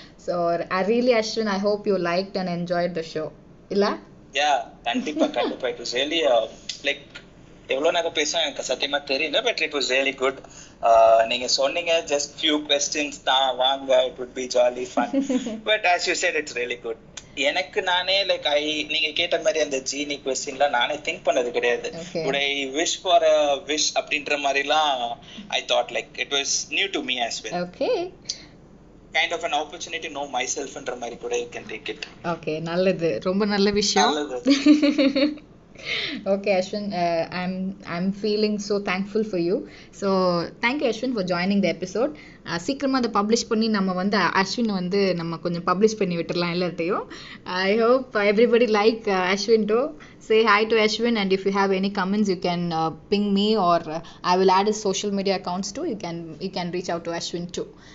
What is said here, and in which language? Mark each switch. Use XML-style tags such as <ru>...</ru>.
<en>So really Ashwin, I hope you liked and enjoyed the show.</en> <ta>இல்லா? Yeah, கண்டிப்பா கண்டிப்பா.</ta> <en>It was really like</en> <ta>எவ்வளோ நேரம் பேசுவோம் எனக்கு சத்தியமா தெரியல,</ta> <en>But it was really good.</en> <ta>நீங்க சொன்னீங்க</ta> <en>just few questions</en> <ta>தான், வாங்க</ta> <en>It would be jolly fun. But as you said it's really good.</en> <ta>எனக்கு நானே</ta> <en>like I</en> <ta>நீங்க கேட்ட மாதிரி அந்த</ta> <en>genie க்வெஸ்சன்லாம்</en> <ta>நானே</ta> <en>think</en> <ta>பண்ணது கிடையாது. உட</ta> <en>I wish for a wish</en> <ta>அப்படின்ற மாதிரிலாம்</ta> <en>I thought like it was new to me as well. Kind of an opportunity to know myself and</en> <ta>ramari kuda</ta> <en>you can take it.</en> <ta>Okay, nalladhu, romba nalla vishayam.</ta> <en>Okay Ashwin, I'm feeling so thankful for you. So thank you Ashwin for joining the episode.</en> <ta>சீக்கிரமா அதை publish பண்ணி நம்ம வந்து அஸ்வின் வந்து நம்ம கொஞ்சம் publish பண்ணி விட்டுடலாம் எல்லாத்தையும்.</ta> <en>I hope everybody like Ashwin to say hi to Ashwin and if you have any comments you can ping me or I will add his social media accounts to you can reach out to Ashwin too.</en>